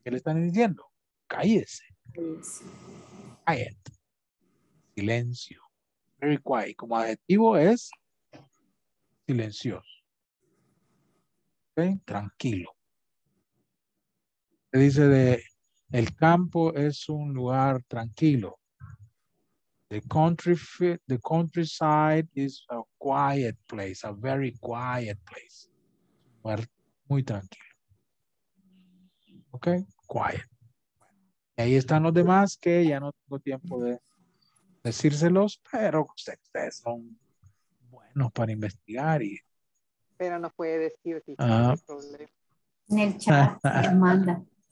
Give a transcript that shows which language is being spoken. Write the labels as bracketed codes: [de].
[es] ¿Qué le están diciendo? Cállese. [en] Quiet. [es] Silencio. [en] Very quiet. [es] Como adjetivo es silencioso. Ok, tranquilo. Dice de el campo es un lugar tranquilo. [en] The countryside is a quiet place, a very quiet place. [es] Muy tranquilo. Ok, quiet. Y ahí están los demás que ya no tengo tiempo de decírselos, pero ustedes son buenos para investigar y. Pero no puede decir si en el chat se manda.